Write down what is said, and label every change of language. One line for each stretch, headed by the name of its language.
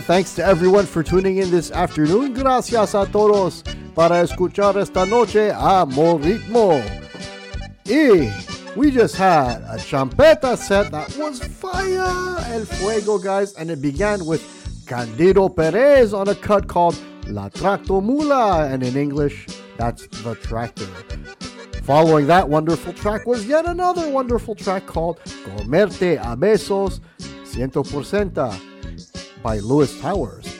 English: Thanks to everyone for tuning in this afternoon.
Spanish: Gracias a todos para escuchar esta noche a Moritmo.
English: Y we just had a champeta set that was fire
Spanish: el fuego,
English: guys, and it began with Candido Perez on a cut called La Tractomula, and in English that's The Tractor. Following that wonderful track was yet another wonderful track called Comerte a Besos 100% by Lewis Towers.